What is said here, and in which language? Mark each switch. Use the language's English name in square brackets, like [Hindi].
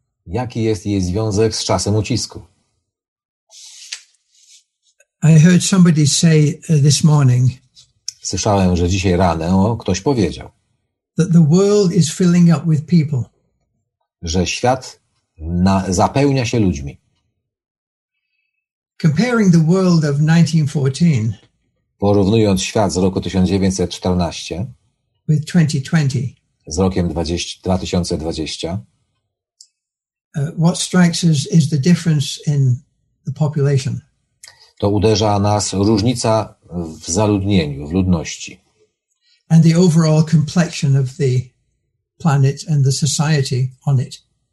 [Polish] Jaki jest jej związek z czasem ucisku? [English] I heard somebody say this morning. [Polish] Słyszałem, że dzisiaj rano ktoś powiedział. [English] That the world is filling up with people. [Polish] Że świat zapełnia się ludźmi. [English] Comparing the world of 1914, [Polish] porównując świat z roku 1914 [English] with 2020, [Polish] z rokiem 2020, [English] what strikes us is the difference in the population. [Polish] To uderza nas różnica w zaludnieniu, w ludności. [English] And the overall complexion of the planet and the society on it.